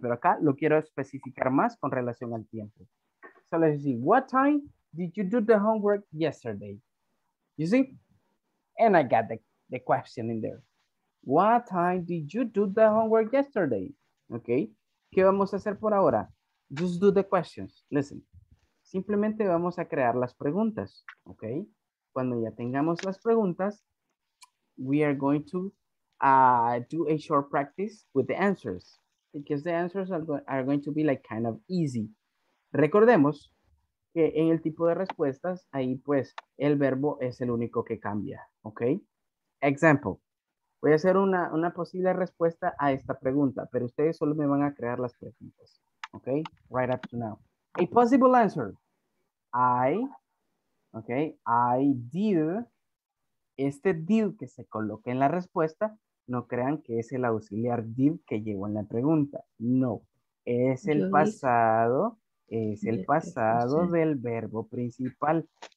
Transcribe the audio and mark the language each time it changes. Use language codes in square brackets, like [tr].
[es] Pero acá lo quiero especificar más con relación al tiempo. [en] So let's see. What time did you do the homework yesterday? You see? And I got the question in there. What time did you do the homework yesterday? [es] Okay. ¿Qué vamos a hacer por ahora? [en] Just do the questions. Listen. [es] Simplemente vamos a crear las preguntas, ¿ok? Cuando ya tengamos las preguntas, [en] we are going to do a short practice with the answers. Because the answers are going to be like kind of easy. [es] Recordemos que en el tipo de respuestas, ahí pues el verbo es el único que cambia, ¿ok? Example, voy a hacer una posible respuesta a esta pregunta, pero ustedes solo me van a crear las preguntas, ¿ok? [en] Right up to now. A possible answer, I did, [es] este did que se coloque en la respuesta, no crean que es el auxiliar did que llegó en la pregunta, no, es el pasado, es el pasado del verbo principal,